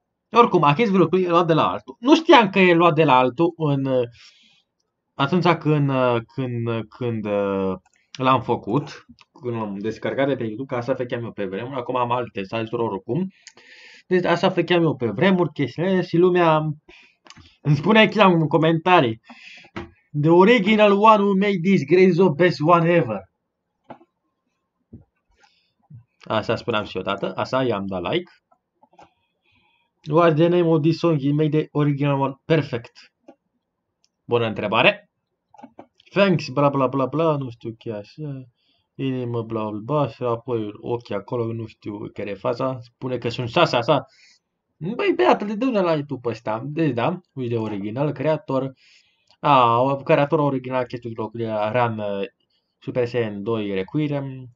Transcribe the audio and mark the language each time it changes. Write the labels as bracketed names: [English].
[Romanian] Oricum, acest lucru e luat de la altul. Nu știam că e luat de la altul atunci când l-am făcut, când l-am descărcat de pe YouTube, că asta făceam eu pe vremuri, acum am alte site-uri oricum. Deci asta făceam eu pe vremuri, chestiile, și lumea îmi spune aici în comentarii. [English] The original one who made this Grezzo best one ever. [Romanian] Așa spuneam și eu odată, așa i-am dat like. [English] What's the name of this song? It made the original one perfect. [Romanian] Bună întrebare. Thanks, bla bla bla bla, nu știu ce așa. Inima bla bla bla, și apoi ochii acolo, nu știu care e faza. Spune că sunt șase așa. Băi, beată, de unde l-ai tu pe ăsta? Deci da, uite de original, creator. A, creator original, chestul loc de RAM Super Saiyan 2 Requiem.